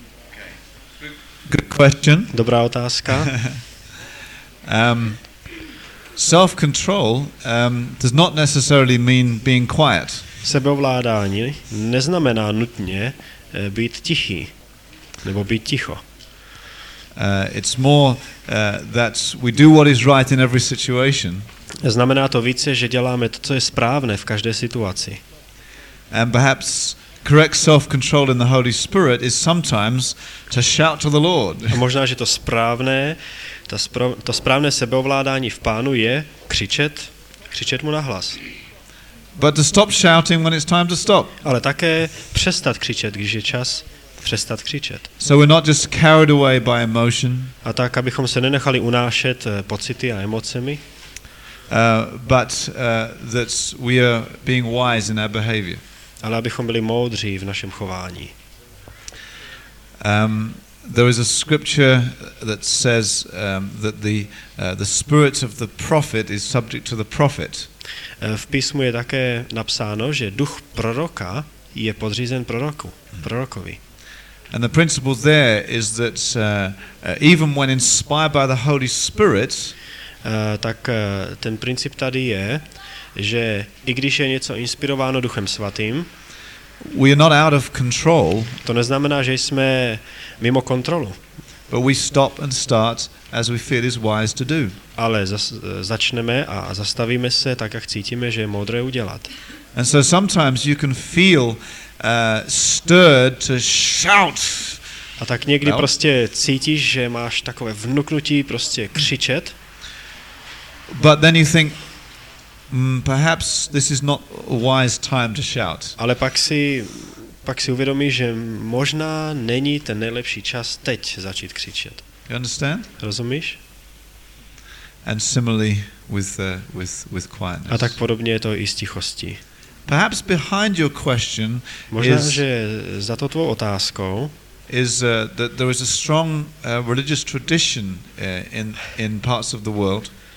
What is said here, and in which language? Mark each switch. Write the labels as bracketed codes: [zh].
[en] Okay. Good question. [cs] Dobrá otázka. [en] Self-control does not necessarily mean being quiet. [cs] Sebeovládání neznamená nutně být tichý nebo být ticho. [en] It's more that we do what is right in every situation. [cs] Znamená to více, že děláme to, co je správné v každé situaci. [en] And perhaps correct self-control in the Holy Spirit is sometimes to shout to the Lord. [cs] A možná že to správné, to správné sebeovládání v Pánu je křičet mu nahlas. [en] But to stop shouting when it's time to stop. [cs] Ale také přestat křičet, když je čas přestat křičet. [en] So we're not just carried away by emotion. [cs] A tak abychom se nenechali unášet pocity a emocemi. [en] But that we are being wise in our behavior. [cs] Ale abychom byli moudří v našem chování. [en] There is a scripture that says that the spirit of the prophet is subject to the prophet. [cs] V písmu je také napsáno, že duch proroka je podřízen proroku, prorokovi. [en] And the principle there is that even when inspired by the Holy Spirit, [cs] tak ten princip tady je, že i když je něco inspirováno Duchem Svatým, [en] we are not out of control, [cs] to neznamená, že jsme mimo kontrolu. [en] But we stop and start as we feel is wise to do. [cs] Ale začneme a zastavíme se tak, jak cítíme, že je moudré udělat. [en] And so sometimes you can feel stirred to shout. [cs] A tak někdy prostě cítíš, že máš takové vnuknutí prostě křičet. [en] But then you think, perhaps this is not a wise time to shout. [cs] Ale pak si uvědomí, že možná není ten nejlepší čas teď začít křičet. [en] You understand? [cs] Rozumíš? [en] And similarly with quietness. [cs] A tak podobně je to i s tichostí. [en] Perhaps behind your question is that there is a strong religious tradition in parts of the world.